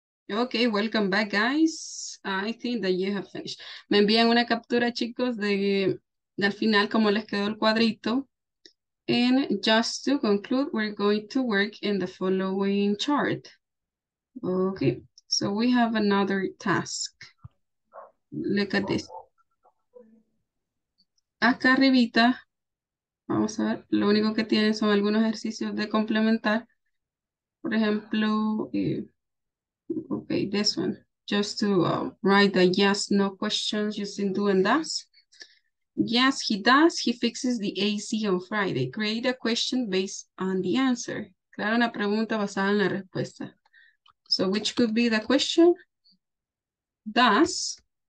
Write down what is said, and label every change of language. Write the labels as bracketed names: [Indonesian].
[English] Okay, welcome back, guys. I think that you have finished. [Spanish] Me envían una captura, chicos, de al final cómo les quedó el cuadrito. [English] And just to conclude, we're going to work in the following chart. Okay, so we have another task. Look at this. [Spanish] Acá arribita, vamos a ver, lo único que tienen son algunos ejercicios de complementar. Por ejemplo, [English] okay, this one. Just to write the yes, no questions using do and does. Yes, he does. He fixes the AC on Friday. Create a question based on the answer. [Spanish] Crear una pregunta basada en la respuesta. [English] So which could be the question? Does.